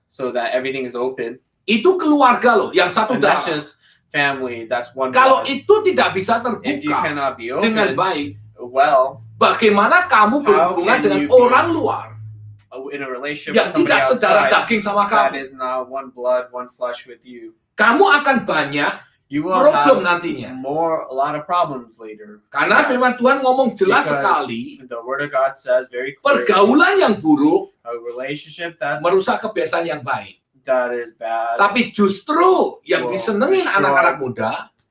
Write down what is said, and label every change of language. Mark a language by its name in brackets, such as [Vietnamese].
[English] so that everything is open. [Indonesian] Itu keluarga loh, yang satu darah. [English] That's just family. That's one. [Indonesian] Kalau itu tidak bisa terbuka [English] if you cannot be open, [Indonesian] dengan baik, [English] well. [Indonesian] bagaimana kamu berhubungan dengan orang luar yang tidak sedara daging sama kamu. [English] That is not one blood, one flesh with you. [Indonesian] Kamu akan banyak problem nantinya. [English] More, a lot of problems later. [Indonesian] Karena firman Tuhan ngomong jelas sekali, [English] the word of God says very clear, [Indonesian] pergaulan yang buruk [English] a relationship that's, [Indonesian] merusak kebiasaan yang baik. [English] That is bad. [Indonesian] Tapi justru yang disenengin anak-anak muda,